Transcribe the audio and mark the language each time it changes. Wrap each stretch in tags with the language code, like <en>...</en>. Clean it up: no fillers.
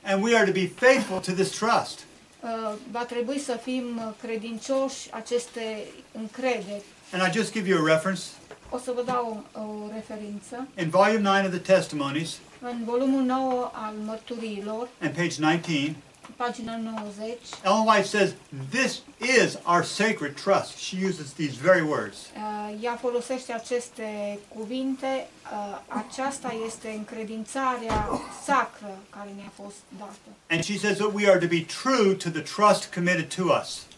<en>And we are to be faithful to this trust.</en> <ro>Va trebui să fim credincioși aceste încrederi.</ro> <en>And I just give you a reference.</en> <ro>O să vă dau o referință.</ro> <en>In volume 9 of the testimonies.</en> <ro>În volumul 9 al mărturiilor.</ro> <en>And page 19.</en> <ro>Pagina 90.</ro> <en>Ellen White says this is our sacred trust. She uses these very words.</en> <ro>Ea folosește aceste cuvinte. Aceasta este încredințarea sacră care ne-a fost dată.</ro> <en>And she says that we are to be true to the trust committed to us.</en>